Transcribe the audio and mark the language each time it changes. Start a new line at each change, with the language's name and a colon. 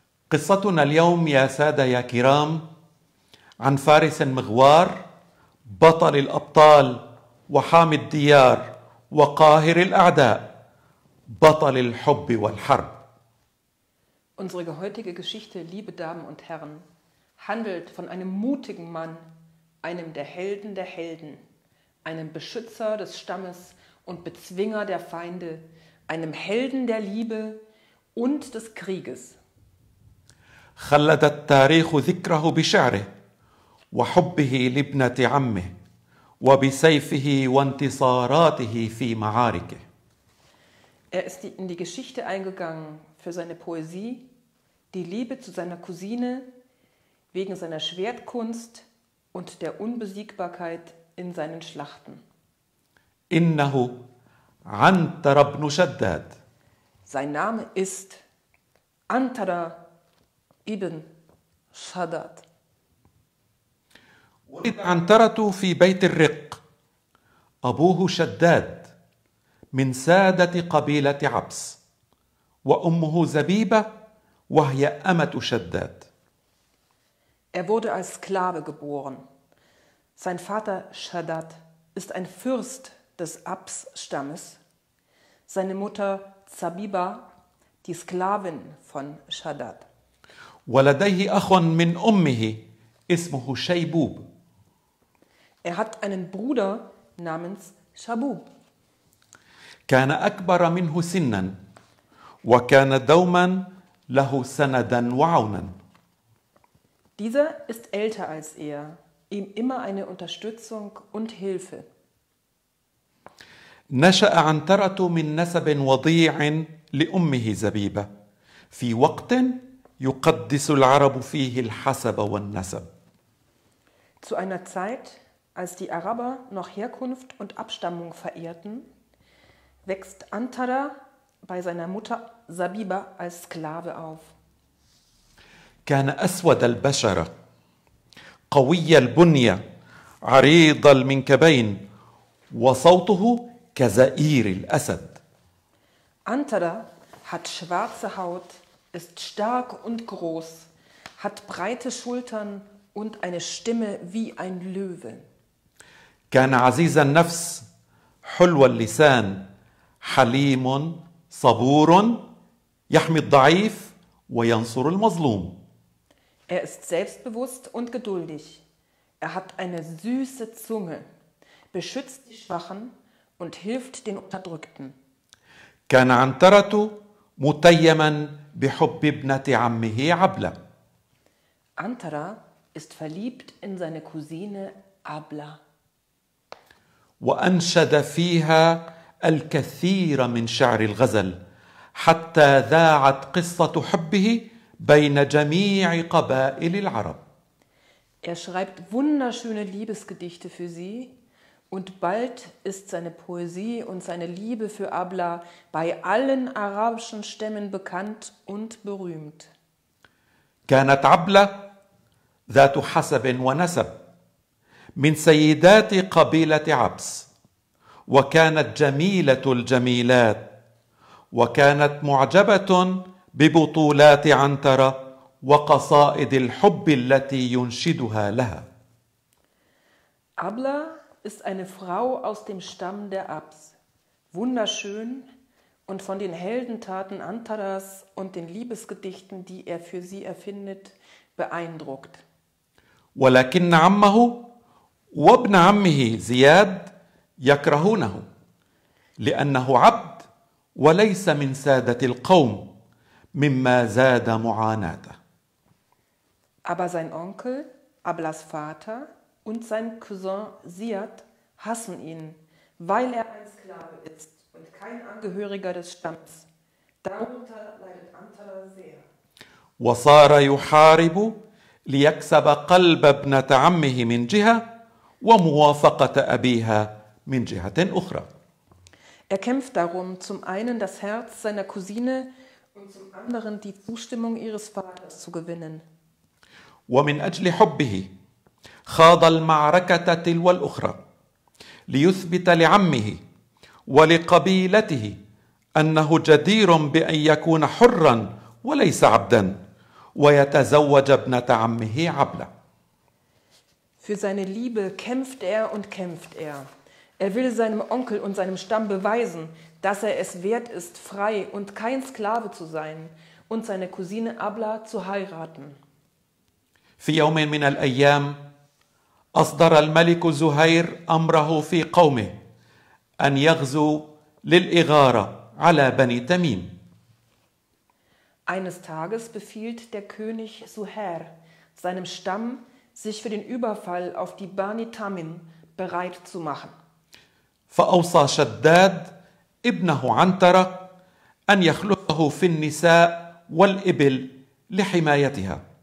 Arabic: قصتنا اليوم يا سادة يا كرام عن فارس مغوار بطل الأبطال وحام الديار وقاهر الأعداء بطل الحب والحرب.
German: Unsere heutige Geschichte, liebe Damen und Herren, handelt von einem mutigen Mann, einem der Helden, einem Beschützer des Stammes und Bezwinger der Feinde, einem Helden der Liebe und des Krieges.
Arabic: خلد التاريخ ذكره بشعره وحبه لابنة عمه وبسيفه وانتصاراته في معاركه.
German: Er ist in die Geschichte eingegangen für seine Poesie, die Liebe zu seiner Cousine, wegen seiner Schwertkunst und der Unbesiegbarkeit in seinen Schlachten.
Arabic: إنه عنتر بن شداد.
German: Sein Name ist عنتر ابن شداد.
Arabic: ولد عنترة في بيت الرق أبوه شداد من سادة قبيلة عبس وأمه زبيبة وهي أمة شداد.
German: Er wurde als Sklave geboren. Sein Vater Shaddad ist ein Fürst des Abs-Stammes. Seine Mutter Zabiba, die Sklavin von Shaddad.
Arabic: ولديه أخ من أمه اسمه شيبوب.
German: Er hat einen Bruder namens Shabub.
Arabic: كان أكبر منه سنا وكان دوما له سندا وعونا.
German: Dieser ist älter als er, ihm immer eine Unterstützung und Hilfe.
Arabic: نشأ عنترة من نسب وضيع لأمه زبيبة في وقت يقدس العرب فيه الحسب والنسب.
German: Zu einer Zeit, als die Araber noch Herkunft und Abstammung verehrten, wächst Antara bei seiner Mutter Sabiba als Sklave auf.
Arabic: كان أسود البشرة قوي البنية عريض المنكبين وصوته كزئير الأسد.
German: Antara hat schwarze Haut, ist stark und groß, hat breite Schultern und eine Stimme wie ein Löwe.
Arabic: كان عزيز النفس حلو اللسان حليم صبور يحمي الضعيف وينصر المظلوم.
German: Er ist selbstbewusst und geduldig. Er hat eine süße Zunge, beschützt die Schwachen und hilft den Unterdrückten.
Arabic: كان عنترة متيما بحب ابنة عمه عبلة.
German: عنترة ist verliebt in seine Cousine عبلة.
Arabic: وأنشد فيها الكثير من شعر الغزل حتى ذاعت قصة حبه بين جميع قبائل العرب.
German: Er schreibt wunderschöne Liebesgedichte für sie und bald ist seine Poesie und seine Liebe für Abla bei allen arabischen Stämmen bekannt und berühmt.
Arabic: كانت عبلة ذات حسب ونسب من سيدات قبيلة عبس وكانت جميلة الجميلات وكانت معجبة ببطولات عنترة وقصائد الحب التي ينشدها لها.
German: عبلة ist eine Frau aus dem Stamm der Abs, wunderschön und von den Heldentaten Antaras und den Liebesgedichten, die er für sie erfindet, beeindruckt.
Arabic: ولكن عمه وابن عمه زياد يكرهونه لأنه عبد وليس من سادة القوم مما زاد معاناته.
German: Aber sein Onkel, Ablas Vater und sein Cousin Ziad hassen ihn, weil er ein Sklave ist und kein Angehöriger des Stammes. Darunter leidet Antala sehr.
Arabic: وصار يحارب ليكسب قلب ابنة عمه من جهة وموافقة أبيها من جهة أخرى.
German: Er kämpft darum, zum einen das Herz seiner Cousine und zum anderen die Zustimmung ihres Vaters zu gewinnen.
Arabic: ومن أجل حبه خاض المعركة تلو الأخرى ليثبت لعمه ولقبيلته أنه جدير بأن يكون حرا وليس عبدا ويتزوج ابنة عمه عبلة.
German: Für seine Liebe kämpft er und kämpft er. Er will seinem Onkel und seinem Stamm beweisen, dass er es wert ist, frei und kein Sklave zu sein und seine Cousine Abla zu heiraten.
Arabic: في يوم من الأيام أصدر الملك زهير أمره في قومه أن يغزو للإغارة على بني تميم.
German: Eines Tages befiehlt der König Zuhair seinem Stamm, sich für den Überfall auf die Bani Tamim bereit zu machen.
Arabic: فأوصى شداد ابنه عنترة أن يخلفه في النساء والإبل لحمايتها.